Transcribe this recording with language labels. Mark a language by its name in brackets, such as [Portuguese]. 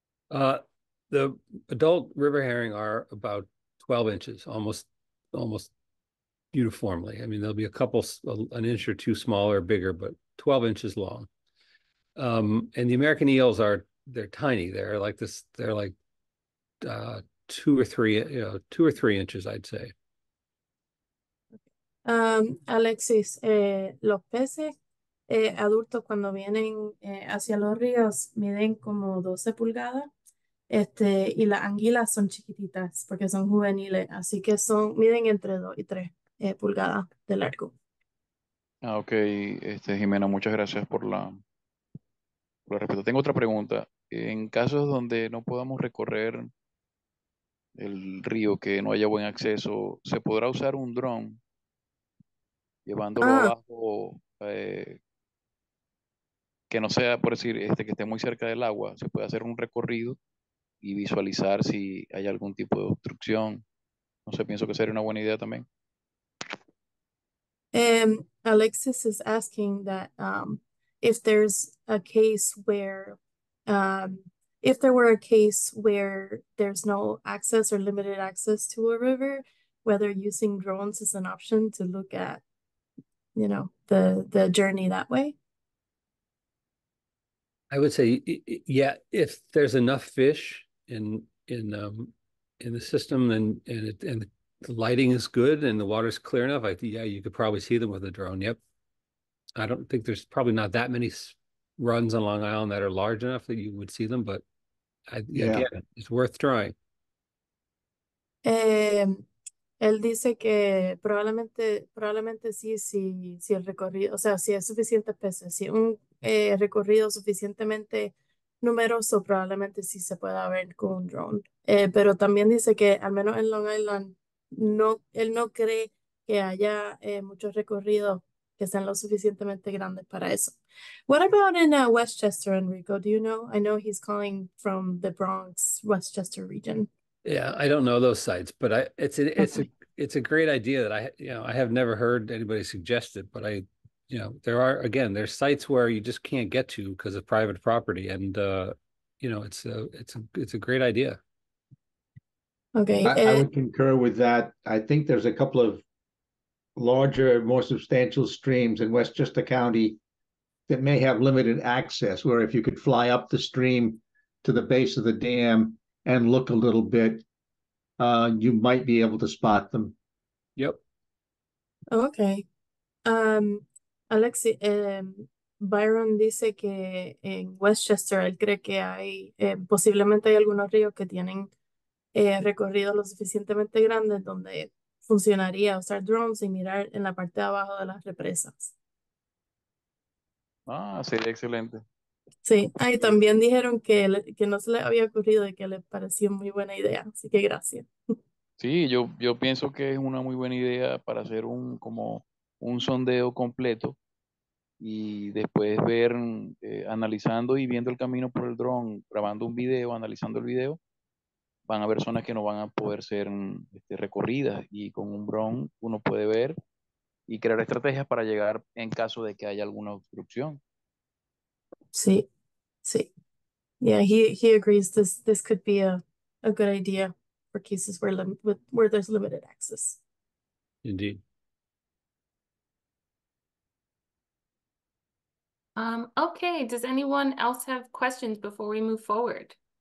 [English] The adult river herring are about 12 inches, almost uniformly. I mean, there'll be a couple, an inch or two smaller or bigger, but 12 inches long. And the American eels are, they're tiny. They're like this, they're like 2 or 3 inches, I'd say. [Spanish] Alexis, los peces adultos cuando vienen hacia los ríos miden como 12 pulgadas. Este, y las anguilas son chiquititas porque son juveniles, así que son, miden entre 2 y 3 pulgadas de largo. Ok, Jimena, muchas gracias por la, respuesta. Tengo otra pregunta. En casos donde no podamos recorrer el río, que no haya buen acceso, ¿se podrá usar un dron llevándolo abajo, que no sea, por decir, que esté muy cerca del agua? ¿Se puede hacer un recorrido y visualizar si hay algún tipo de obstrucción? No sé, pienso que sería una buena idea también. [English] Alexis is asking that if there's a case where, if there were a case where there's no access or limited access to a river, whether using drones is an option to look at, you know, the journey that way. I would say, yeah, if there's enough fish in the system and the lighting is good and the water's clear enough, you could probably see them with a drone. Yep. I don't think there's probably not that many runs on Long Island that are large enough that you would see them, but it's worth trying. [Spanish] Él dice que probablemente sí, si el recorrido, o sea, si es suficiente peces, si un recorrido suficientemente numeroso, probablemente sí se pueda ver con un drone. Pero también dice que al menos en Long Island, no, él no cree que haya muchos recorridos que sean lo suficientemente grandes para eso. [English] What about in Westchester, Enrico? Do you know? I know he's calling from the Bronx, Westchester region. Yeah, I don't know those sites, but it's a great idea that I have never heard anybody suggest it, but there's sites where you just can't get to because of private property, and it's a great idea. Okay, I would concur with that. I think there's a couple of larger, more substantial streams in Westchester County that may have limited access, where if you could fly up the stream to the base of the dam and look a little bit, you might be able to spot them. Yep. Okay. [Spanish] Alexi, Byron dice que en Westchester él cree que hay, posiblemente hay algunos ríos que tienen recorrido lo suficientemente grande donde funcionaría usar drones y mirar en la parte de abajo de las represas. Ah, sería excelente. Sí, ahí también dijeron que no se les había ocurrido y que les pareció muy buena idea, así que gracias. Sí, yo pienso que es una muy buena idea para hacer un sondeo completo y después ver, analizando y viendo el camino por el dron, grabando un video, analizando el video, van a haber zonas que no van a poder ser recorridas, y con un dron uno puede ver y crear estrategias para llegar en caso de que haya alguna obstrucción. Sí, sí. [English] Yeah, he agrees this could be a good idea for cases where there's limited access. Indeed. Okay, does anyone else have questions before we move forward?